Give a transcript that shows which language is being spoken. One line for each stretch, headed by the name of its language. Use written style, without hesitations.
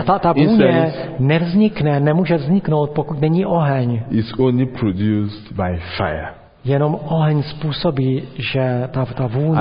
Czech: a ta vůně nevznikne, nemůže vzniknout, pokud není oheň.
English: Is only produced by fire.
Czech: Jenom oheň způsobí, že ta vůně